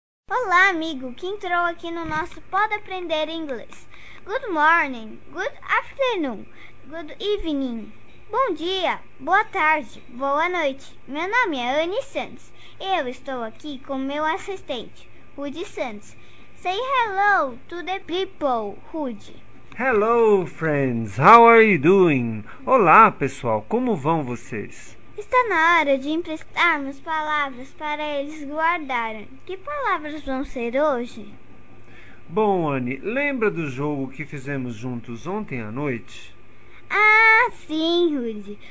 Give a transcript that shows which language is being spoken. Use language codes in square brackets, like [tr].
[pt] Olá, amigo, que entrou aqui no nosso Pode Aprender Inglês. [en] Good morning, good afternoon, good evening. [pt] Bom dia, boa tarde, boa noite. Meu nome é Anne Santos e eu estou aqui com meu assistente, Rudy Santos. [en] Say hello to the people, Rudy. Hello, friends, how are you doing? [pt] Olá, pessoal, como vão vocês? Está na hora de emprestarmos palavras para eles guardarem. Que palavras vão ser hoje? Bom, Anne, lembra do jogo que fizemos juntos ontem à noite? Ah, sim, Rudy.